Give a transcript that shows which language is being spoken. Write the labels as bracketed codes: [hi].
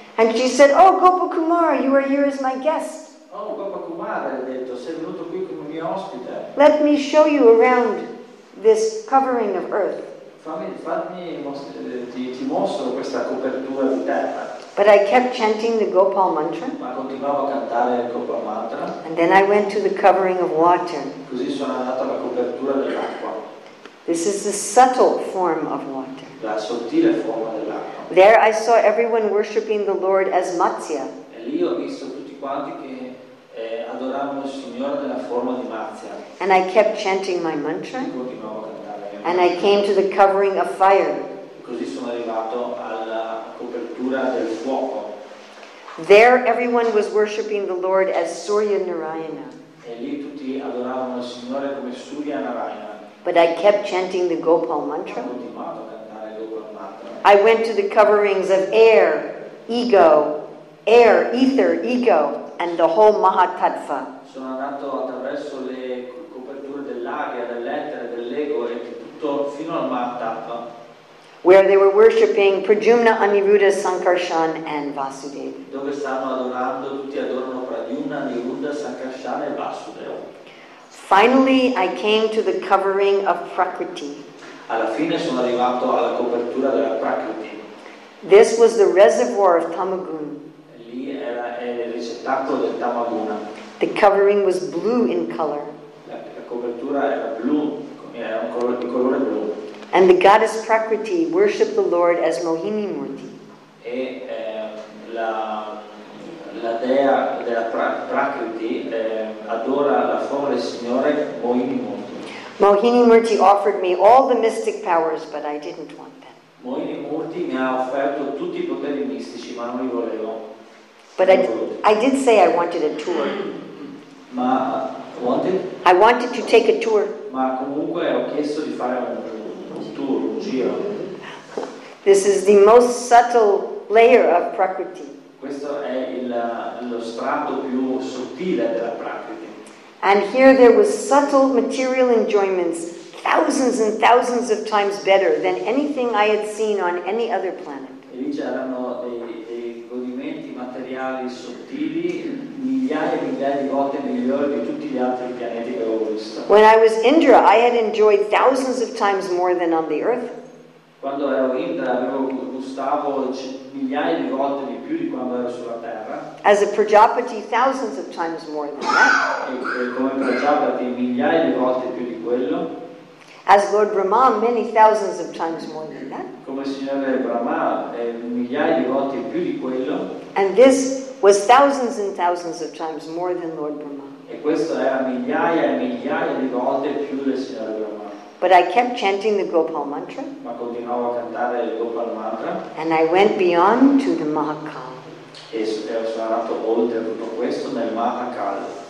[en] And she said, "Oh, Gopakumar, you are here as my guest. [it] Oh, Gopakumar, ha detto, sei venuto qui come mio ospite. [en] Let me show you around this covering of Earth." [it] Fammi mostro questa copertura di terra. [en] But I kept chanting the Gopal mantra. [it] Ma continuavo a cantare il Gopal mantra. [en] And then I went to the covering of water. [it] Così sono andato alla copertura dell'acqua. [en] This is the subtle form of water. [it] La sottile forma dell'acqua. [en] There I saw everyone worshipping the Lord as Matsya. [it] E lì ho visto tutti quanti che adoravano il Signore nella forma di Matsya. [en] And I kept chanting my mantra. [it] E continuavo a cantare. [en] And I came to the covering of fire. [it] Così sono arrivato alla copertura del fuoco. [en] There everyone was worshipping the Lord as Surya Narayana. [it] E lì tutti adoravano il Signore come Surya Narayana. [en] But I kept chanting the Gopal mantra. [it] Ho continuato a cantare il Gopal mantra. [en] I went to the coverings of air, ego, air, ether, ego, and the whole Mahatattva. [it] Sono andato attraverso le coperture dell'aria, dell'etere, dell'ego e fino al Mahatattva, [en] where they were worshipping Prajumna, Aniruddha, Sankarshan and Vasudev. [it] Dove stanno adorando, tutti adorano Prajumna, Aniruddha, Sankarshan e Vasudev. [en] Finally I came to the covering of Prakriti. [it] Alla fine sono arrivato alla copertura della Prakriti. [en] This was the reservoir of Tamaguna. [it] Lì era il ricettacolo del Tamaguna. [en] The covering was blue in color. [it] La copertura era blu. Yeah, un colore, di colore blu. [en] And the goddess Prakriti worshipped the Lord as Mohini Murti. [it] E la dea della Prakriti adora la forma del Signore Mohini Murti. [en] Mohini Murti offered me all the mystic powers, but I didn't want them. [it] Mohini Murti mi ha offerto tutti i poteri mistici, ma non li volevo. [en] But I did say I wanted a tour. [it] Ma [en] wanted? I wanted to take a tour. [it] Ma comunque ho chiesto di fare un tour, un giro. [en] This is the most subtle layer of Prakriti. [it] Questo è lo strato più sottile della Prakriti. [en] And here there was subtle material enjoyments thousands and thousands of times better than anything I had seen on any other planet. [it] E lì c'erano dei godimenti materiali sottili migliaia e migliaia di volte migliori di tutti gli altri pianeti che avevo visto. [en] When I was Indra, I had enjoyed thousands of times more than on the Earth. [it] Quando ero Indra, gustavo migliaia di volte di più di quando ero sulla Terra. [en] As a Prajapati, thousands of times more than that. [it] E come Prajapati, migliaia di volte più di quello. [en] As Lord Brahma, many thousands of times more than that. [it] Come Signore Brahma, migliaia di volte più di quello. [en] And this was thousands and thousands of times more than Lord Brahma. [it] E questo era migliaia e migliaia di volte più del Signore Brahma. [en] But I kept chanting the Gopal mantra. [it] Ma continuavo a cantare il Gopal mantra. [en] And I went beyond to the Mahakal. [it] E sono andato oltre tutto questo nel Mahakal.